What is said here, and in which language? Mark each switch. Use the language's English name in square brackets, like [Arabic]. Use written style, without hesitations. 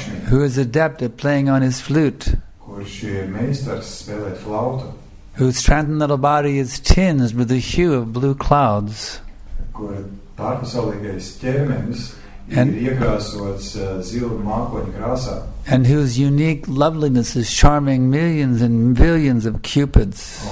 [English] Who is adept at playing on his flute. [Latvian] Kurš ir meistars spēlēt flautu. [English] Whose transcendental body is tinged with the hue of blue clouds. [Latvian] Kur pārpasaulīgais ķermenis ir iekrāsots zilu mākoņu krāsā. [English] And whose unique loveliness is charming millions and billions of cupids.